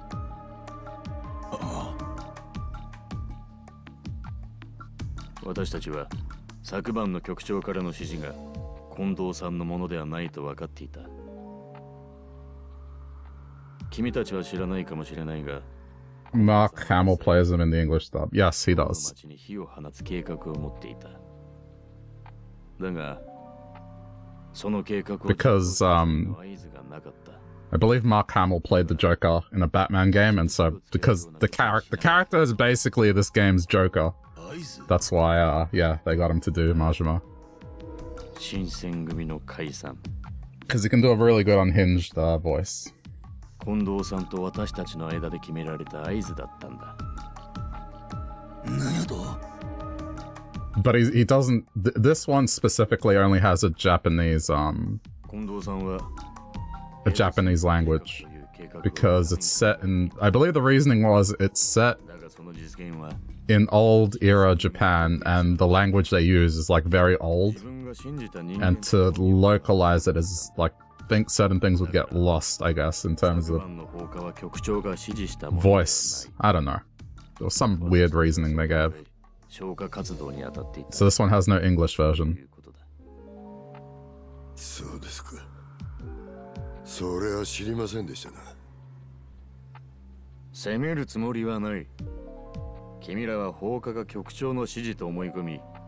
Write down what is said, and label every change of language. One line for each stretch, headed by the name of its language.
Japanese: ああ。私たちは昨晩の局長からの指示が近藤さんのものではないと分かっていた。君たちは知らないかもしれないが、
English: Mark Hamill plays him in the English dub. Yes, he does.
Japanese: 町に火を放つ計画を持っていた。だが。
English: Because, I believe Mark Hamill played the Joker in a Batman game, and so because the character is basically this game's Joker, that's why, they got him to do Majima. Because he can do a really good unhinged voice.
Japanese: 近藤さんと私たちの間で決められた合図だったんだ。何やと?
English: But he doesn't. This one specifically only has a Japanese, language. Because it's set in. I believe the reasoning was it's set in old era Japan, and the language they use is like very old. And to localize it is like. Think certain things would get lost, I guess, in terms of voice. I don't know. There was some weird reasoning they gave.
Japanese: 消火活動に当たっていた。 So this one has no English version. そうですか。それは知りませんでしたな。責めるつもりはない。君らは放火が局長の指示と思い込み。